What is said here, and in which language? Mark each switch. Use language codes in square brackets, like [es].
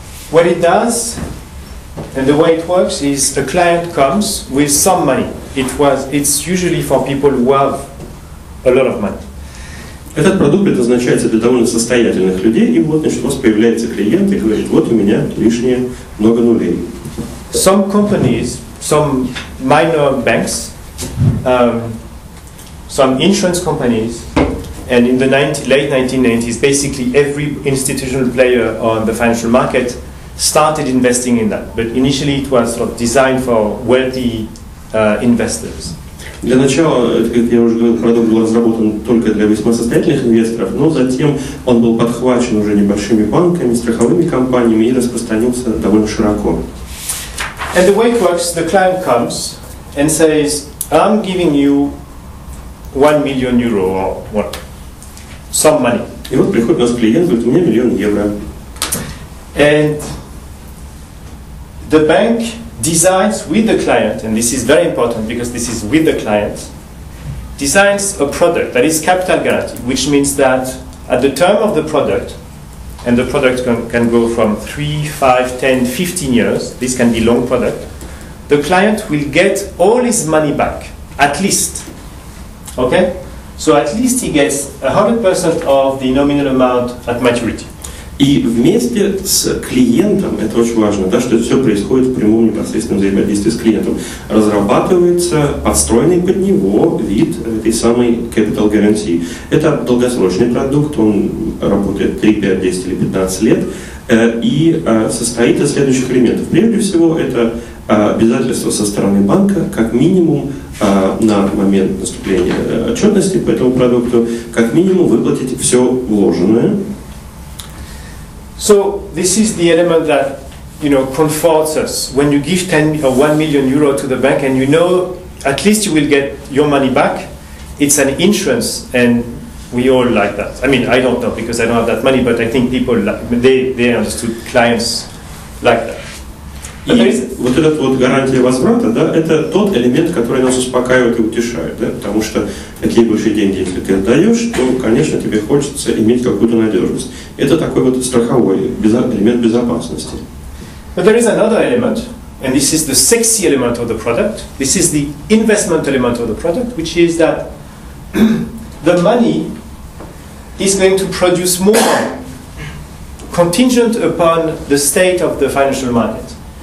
[en] What it does and the way it works is a client comes with some money. It's usually for people who have a lot of money. [ru] Этот продукт предназначается для довольно состоятельных людей, и вот, значит, у вас появляется клиент и говорит: вот у меня лишнее много нулей. [en] Some companies, some minor banks, some insurance companies, and in the late 1990s, basically every institutional player on the financial market started investing in that. But initially it was sort of designed for wealthy investors. [ru] Для начала, как я уже говорил, продукт был разработан только для весьма состоятельных инвесторов, но затем он был подхвачен уже небольшими банками, страховыми компаниями и распространился довольно широко. [en] And the way it works, the client comes and says, I'm giving you 1 million euro or what, some money [ru] И вот приходит у нас клиент, говорит, у меня 1 000 000 евро. [en] And the bank designs with the client, and this is very important because this is with the client, designs a product that is capital guaranteed, which means that at the term of the product, and the product can go from 3, 5, 10, 15 years, this can be long product, the client will get all his money back, at least. Okay? So at least he gets 100% of the nominal amount at maturity. [ru] И вместе с клиентом, это очень важно, да, что это все происходит в прямом непосредственном взаимодействии с клиентом, разрабатывается подстроенный под него вид этой самой capital guarantee. Это долгосрочный продукт, он работает 3, 5, 10 или 15 лет, и состоит из следующих элементов. Прежде всего, это обязательство со стороны банка, как минимум на момент наступления отчетности по этому продукту, как минимум выплатить все вложенное. [en] So this is the element that, you know, comforts us when you give 10 or 1 million euro to the bank and you know at least you will get your money back. It's an insurance and we all like that. I mean, I don't know because I don't have that money, but I think people like, they understood clients like that. [ru] Вот эта вот гарантия возврата, да, это тот элемент, который нас успокаивает и утешает, да, потому что какие большие деньги, если ты отдаешь, то, конечно, тебе хочется иметь какую-то надежность. Это такой вот страховой элемент безопасности. [en] But there is another element, and this is the sexy element of the product. This is the investment element of the product, which is that the money is going to produce more contingent upon the state of the financial market.